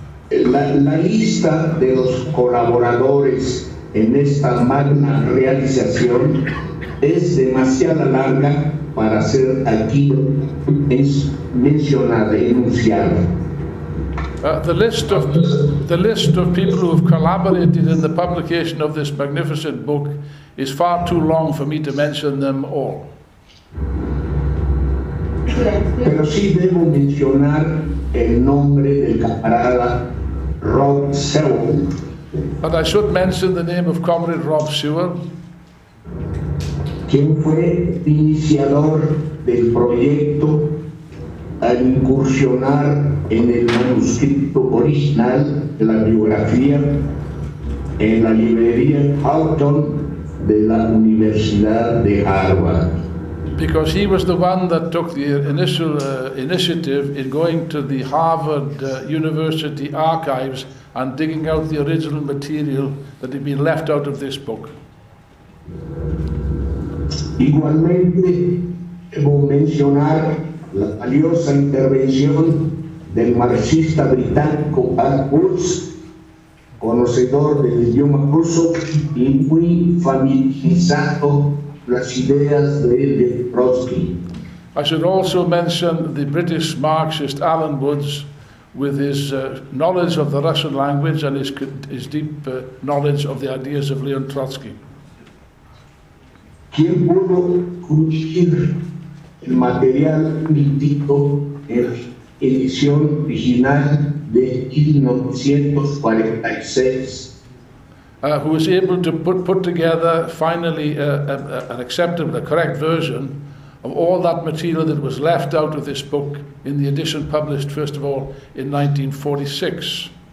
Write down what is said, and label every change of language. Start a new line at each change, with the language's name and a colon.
Spanish: La lista de los colaboradores en esta magna realización es demasiado larga para ser aquí mencionada, enunciada.
English: The list of people who have collaborated in the publication of this magnificent book is far too long for me to mention them all.
Spanish: Pero sí debo mencionar el nombre del camarada Rob Sewell.
English: But I should mention the name of comrade Rob Sewell.
Spanish: Quien fue iniciador del proyecto al incursionar en el manuscrito original de la biografía en la librería Houghton de la Universidad de Harvard.
English: Because he was the one that took the initial initiative in going to the Harvard University archives and digging out the original material that had been left out of this book.
Spanish: Igualmente, debo mencionar la valiosa intervención del marxista británico Arthur, conocedor del idioma ruso y muy familiarizado las ideas de Trotsky.
English: I should also mention the British Marxist Alan Woods, with his knowledge of the Russian language and his deep knowledge of the ideas of Leon Trotsky.
Spanish: ¿Quién pudo cumplir el material mítico en edición original de 1946?
English: Who was able to put together finally an acceptable, a correct version of all that material that was left out of this book in the edition published, first of all, in 1946.